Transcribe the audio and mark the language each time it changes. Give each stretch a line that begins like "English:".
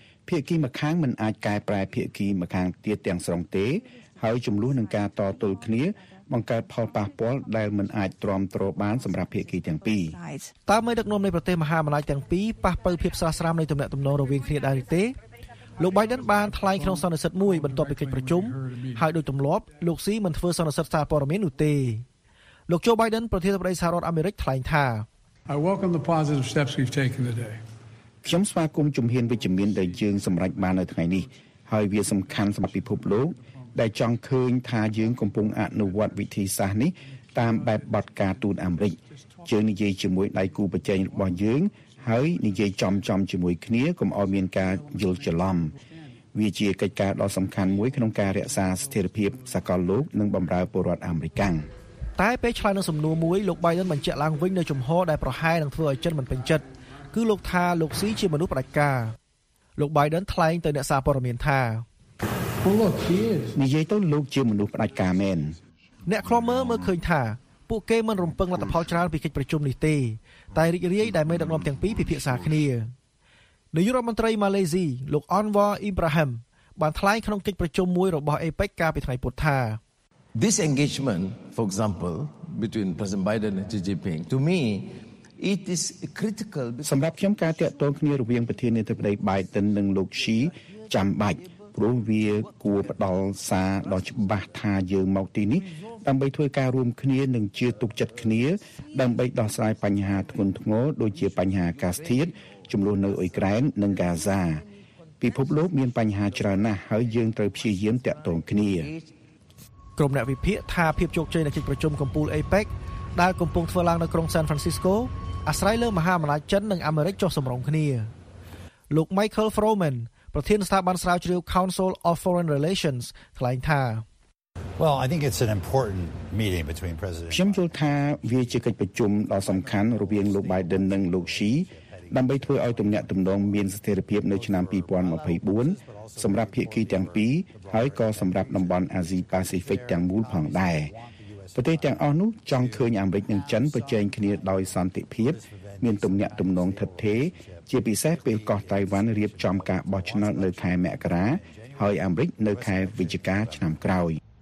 Khmer: ភាគីម្ខាងមិនអាចកែប្រែភាគីម្ខាងទៀតទាំងស្រុងទេហើយចំនួននឹងការតទល់គ្នាបង្កើតផលប៉ះពាល់ដែលមិនអាចទ្រាំទ្របានសម្រាប់ភាគីទាំងពីរ តាមមេដឹកនាំនៃប្រទេសមហាអំណាចទាំងពីរប៉ះពើភាពស្រស្រាមនៃទំនាក់ទំនងរវាងគ្នាដែរឬទេលោក Biden បានថ្លែងក្នុងសន្និសីទមួយបន្ទាប់ពីកិច្ចប្រជុំហើយដោយទម្លាប់លោកស៊ីមិនធ្វើសន្និសីទសារព័ត៌មាននោះទេលោក Joe Biden ប្រធានាធិបតីសហរដ្ឋអាមេរិកថ្លែងថា
English: I welcome the positive steps we've taken today
Khmer: ខ្ញុំស្វាគមន៍ជំហានវិជ្ជមានដែលយើងសម្រេចបាននៅថ្ងៃនេះហើយវាសំខាន់សម្រាប់ពិភពលោកដែលចង់ឃើញថាយើងកំពុងអនុវត្តវិធីសាស្ត្រនេះតាមបែបបទការទូតអាមេរិកយើងនិយាយជាមួយដៃគូប្រជែងរបស់យើងហើយនិយាយចំចំជាមួយគ្នាកុំឲ្យមានការយល់ច្រឡំវាជាកិច្ចការដ៏សំខាន់មួយក្នុងការរក្សាស្ថិរភាពសកលលោកនិងបម្រើប្រជាពលរដ្ឋអាមេរិក តែពេលឆ្លើយនឹងសំណួរមួយលោក Biden បញ្ជាក់ឡើងវិញនៅចំហដែលប្រហែលនឹងធ្វើឲ្យចិត្តមិនពេញចិត្តគឺលោកថាលោកស៊ីជាមនុស្សផ្ដាច់ការលោក Biden ថ្លែងទៅអ្នកសារព័ត៌មានថា លោកជាលោកជាមនុស្សផ្ដាច់ការមែន អ្នកខ្លាំមើលឃើញថាពួកគេមិនរំពឹងលទ្ធផលច្រើនពីកិច្ចប្រជុំនេះទេតែរីករាយដែលមេដឹកនាំទាំងពីរពិភាក្សាគ្នានាយករដ្ឋមន្ត្រីម៉ាឡេស៊ីលោក Anwar Ibrahim បានថ្លែងក្នុងកិច្ចប្រជុំមួយរបស់ APEC កាលពីថ្ងៃពុធថា
English: This engagement for example between President Biden and Xi Jinping to me it is critical
Khmer: សម្រាប់ខ្ញុំការតាក់ទងគ្នារវាងប្រធានាធិបតី Biden និងលោក Xi ចាំបាច់រួមវាគួរផ្ដល់សារដល់ច្បាស់ថាយើងមកទីនេះដើម្បីធ្វើការរួមគ្នានិងជឿទុកចិត្តគ្នាដើម្បីដោះស្រាយបញ្ហាធ្ងន់ធ្ងរដូចជាបញ្ហាអាកាសធាតុចំនួននៅអ៊ុយក្រែននិងហ្គាហ្សាពិភពលោកមានបញ្ហាច្រើនណាស់ហើយយើងត្រូវព្យាយាមតាក់ទងគ្នា ក្រុមអ្នកវិភាគថាភាពជោគជ័យនៃកិច្ចប្រជុំកំពូល APEC ដែលកំពុងធ្វើឡើងនៅក្រុង San Francisco អាស្រ័យលើមហាអំណាចចិននិងអាមេរិកចុះសម្រុងគ្នាលោក Michael Froman ប្រធានស្ថាប័នស្រាវជ្រាវ Council of Foreign Relations ថ្លែងថា
English: Well, I think it's an important meeting between President
Khmer: Xi Jinping ថាវាជាកិច្ចប្រជុំដ៏សំខាន់រវាងលោក Biden និងលោក Xi ដើម្បីធ្វើឲ្យទំនាក់ទំនងមានស្ថិរភាពនៅឆ្នាំ2024សម្រាប់ភាគីទាំងពីរហើយក៏សម្រាប់តំបន់ Asia Pacific ទាំងមូលផងដែរប្រទេសទាំងអស់នោះចង់ឃើញអាមេរិកនិងចិនប្រជែងគ្នាដោយសន្តិភាពមានទំនាក់ទំនងថិតថេរជាពិសេសពេលកោះតៃវ៉ាន់រៀបចំការបោះឆ្នោតនៅខែមករាហើយអាមេរិកនៅខែវិច្ឆិកាឆ្នាំក្រោយ